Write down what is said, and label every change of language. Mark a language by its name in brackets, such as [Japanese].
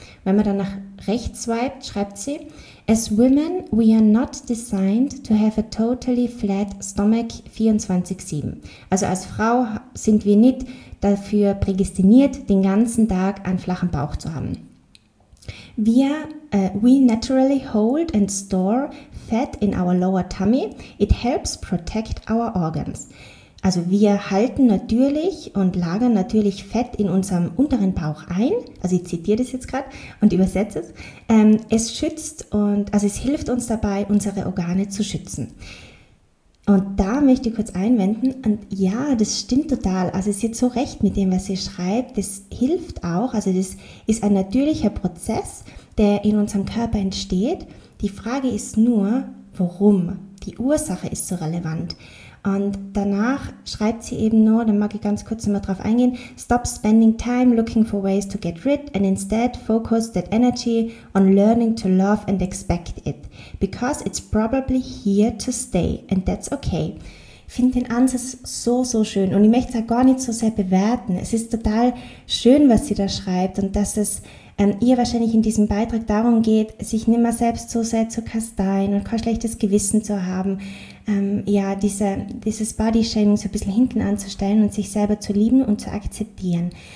[German] Wenn man dann nach rechts swipet, schreibt sie, [English] as women, we are not designed to have a totally flat stomach 24/7. [German] Also als Frau sind wir nicht dafür prädestiniert, den ganzen Tag einen flachen Bauch zu haben. [English] We naturally hold and store fat in our lower tummy. It helps protect our organs. [German] Also wir halten natürlich und lagern natürlich Fett in unserem unteren Bauch ein. Also ich zitiere das jetzt gerade und übersetze es. Es hilft uns dabei, unsere Organe zu schützen. Und da möchte ich kurz einwenden. Und ja, das stimmt total. Also sie hat so recht mit dem, was sie schreibt. Das hilft auch. Also das ist ein natürlicher Prozess, der in unserem Körper entsteht. Die Frage ist nur, warum? Die Ursache ist so relevant. Und danach schreibt sie eben nur, da mag ich ganz kurz nochmal drauf eingehen, [English] stop spending time looking for ways to get rid and instead focus that energy on learning to love and expect it. Because it's probably here to stay and that's okay. [German] Ich finde den Ansatz so, so schön und ich möchte es auch gar nicht so sehr bewerten. Es ist total schön, was sie da schreibt und dass es ihr wahrscheinlich in diesem Beitrag darum geht, sich nicht mehr selbst so sehr zu kasteien und kein schlechtes Gewissen zu haben, dieses Body-Shaming so ein bisschen hinten anzustellen und sich selber zu lieben und zu akzeptieren.